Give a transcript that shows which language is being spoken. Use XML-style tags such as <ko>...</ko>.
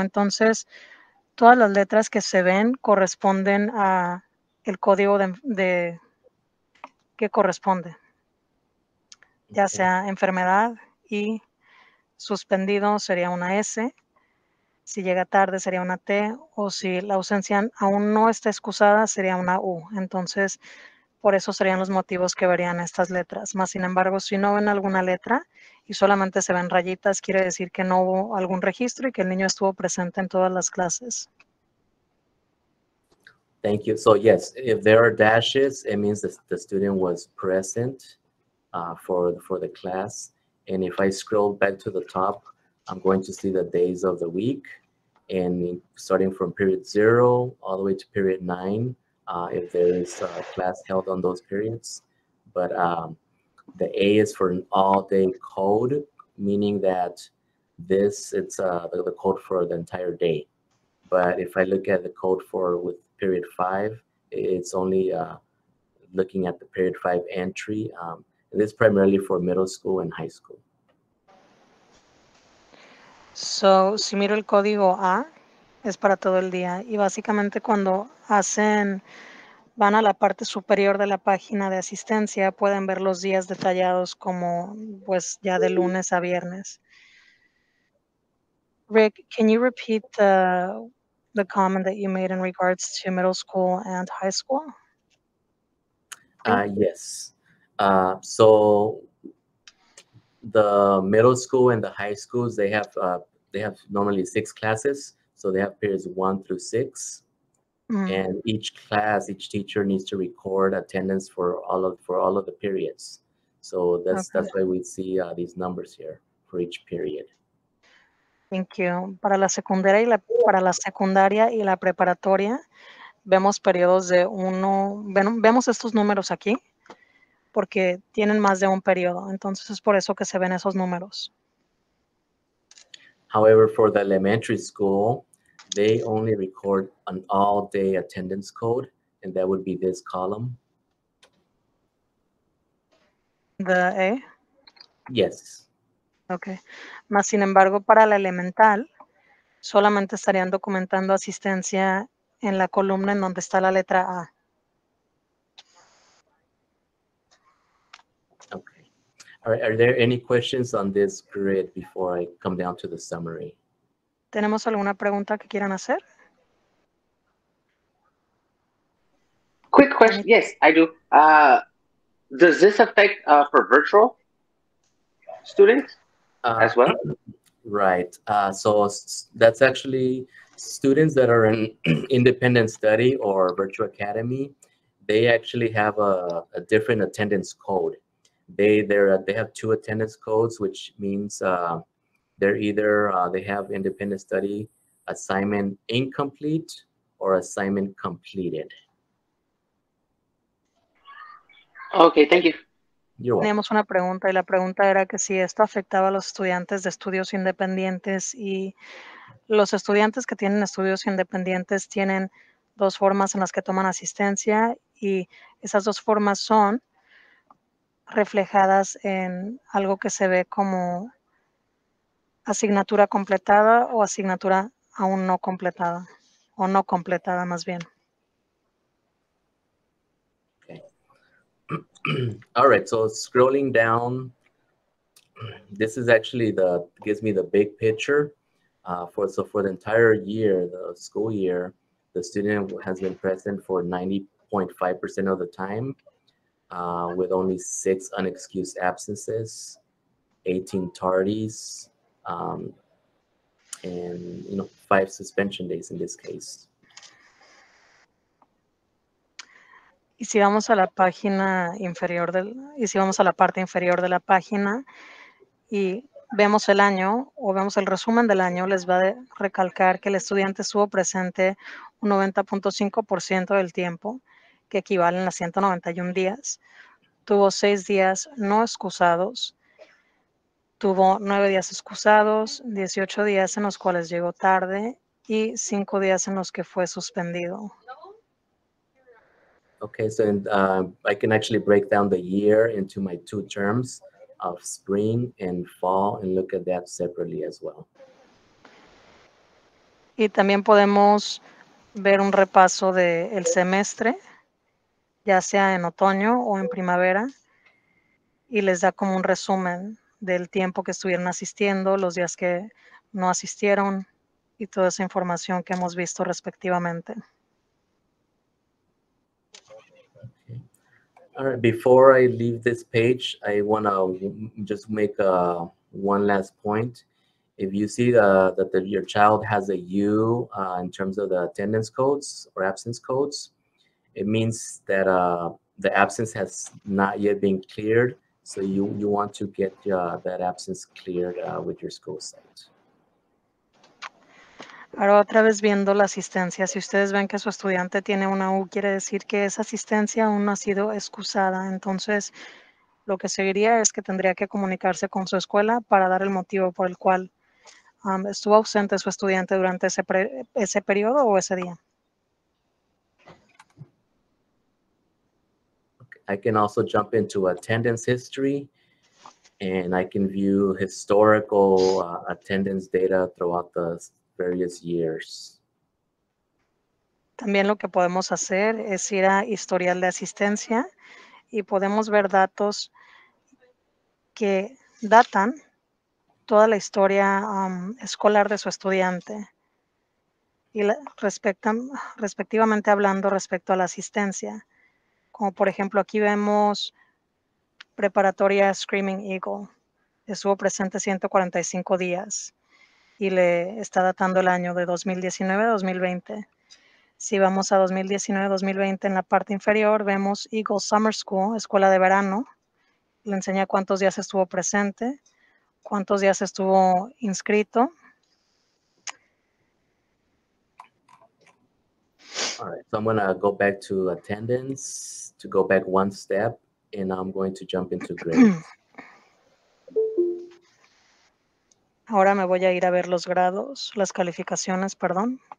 <es>Entonces, todas las letras que se ven corresponden a el código de que corresponde, ya sea enfermedad, y suspendido sería una S, si llega tarde sería una T, o si la ausencia aún no está excusada sería una U. Entonces, por eso serían los motivos que verían estas letras. Más sin embargo, si no ven alguna letra y solamente se ven rayitas, quiere decir que no hubo algún registro y que el niño estuvo presente en todas las clases.</es> <en>Thank you. So yes, if there are dashes, it means that the student was present for the class. And if I scroll back to the top, I'm going to see the days of the week. And starting from period zero all the way to period nine, if there is a class held on those periods. But the A is for an all-day code, meaning that it's the code for the entire day. But if I look at the code for with period five, it's only looking at the period five entry. And it's primarily for middle school and high school.</en> <es>So, si miro el código A, es para todo el día. Y básicamente cuando van a la parte superior de la página de asistencia, pueden ver los días detallados como, pues, ya de lunes a viernes.</es> <en>Rick, can you repeat the comment that you made in regards to middle school and high school? Yes. So the middle school and the high schools, they have normally six classes. So they have periods 1 through 6. Mm-hmm. And each class, each teacher needs to record attendance for all of the periods. So that's okay. That's why we see these numbers here for each period. Thank you.</en> <es>Para la secundaria y la preparatoria, vemos periodos de uno. Vemos estos números aquí porque tienen más de un periodo. Entonces es por eso que se ven esos números.</es> <en>However, for the elementary school, they only record an all-day attendance code, and that would be this column. The A? Yes. Okay.</en> <es>Mas sin embargo, para la elemental, solamente estarían documentando asistencia en la columna en donde está la letra A.</es> <en>Okay. All right. Are there any questions on this grid before I come down to the summary?</en> <es>¿Tenemos alguna pregunta que quieran hacer?</es> <en>Quick question. Yes, I do. Does this affect for virtual students as well? Right. So that's actually students that are in independent study or virtual academy. They actually have a different attendance code. They have two attendance codes, which means they're either, they have independent study, assignment incomplete, or assignment completed. Okay, thank you. You're welcome.</en> <es>Teníamos una pregunta, y la pregunta era que si esto afectaba a los estudiantes de estudios independientes, y los estudiantes que tienen estudios independientes tienen dos formas en las que toman asistencia, y esas dos formas son reflejadas en algo que se ve como asignatura completada o asignatura aún no completada, o no completada más bien.</es> <en>Okay. All right, so scrolling down, this is actually gives me the big picture. For the entire year, the school year, the student has been present for 90.5% of the time with only 6 unexcused absences, 18 tardies, and, you know, 5 suspension days in this case.</en> <es>Y si vamos a la página inferior y si vamos a la parte inferior de la página y vemos el año o vemos el resumen del año, les va a recalcar que el estudiante estuvo presente un 90.5% del tiempo, que equivalen a 191 días. Tuvo 6 días no excusados. Tuvo 9 días excusados, 18 días en los cuales llegó tarde y 5 días en los que fue suspendido.</es> <en>Okay, so and, I can actually break down the year into my two terms of spring and fall and look at that separately as well.</en> <es>Y también podemos ver un repaso de el semestre, ya sea en otoño o en primavera, y les da como un resumen del tiempo que estuvieron asistiendo, los días que no asistieron, y toda esa información que hemos visto respectivamente.</es> <en>All right, before I leave this page, I want to just make one last point. If you see that your child has a U in terms of the attendance codes or absence codes, it means that the absence has not yet been cleared. So you want to get that absence cleared with your school site.</en> <es>Ahora otra vez viendo la asistencia, si ustedes ven que su estudiante tiene una U, quiere decir que esa asistencia aún no ha sido excusada. Entonces, lo que seguiría es que tendría que comunicarse con su escuela para dar el motivo por el cual estuvo ausente su estudiante durante ese periodo o ese día.</es> <en>I can also jump into attendance history and I can view historical attendance data throughout the various years.</en> <es>También lo que podemos hacer es ir a historial de asistencia y podemos ver datos que datan toda la historia escolar de su estudiante y respectivamente hablando respecto a la asistencia. Como por ejemplo, aquí vemos preparatoria Screaming Eagle. Estuvo presente 145 días y le está datando el año de 2019-2020. Si vamos a 2019-2020, en la parte inferior vemos Eagle Summer School, escuela de verano. Le enseña cuántos días estuvo presente, cuántos días estuvo inscrito.</es> <en>All right, so I'm going to go back to attendance to go back one step, and I'm going to jump into grades.</en> <es>Ahora me voy a ir a ver los grados, las calificaciones, perdón.</es>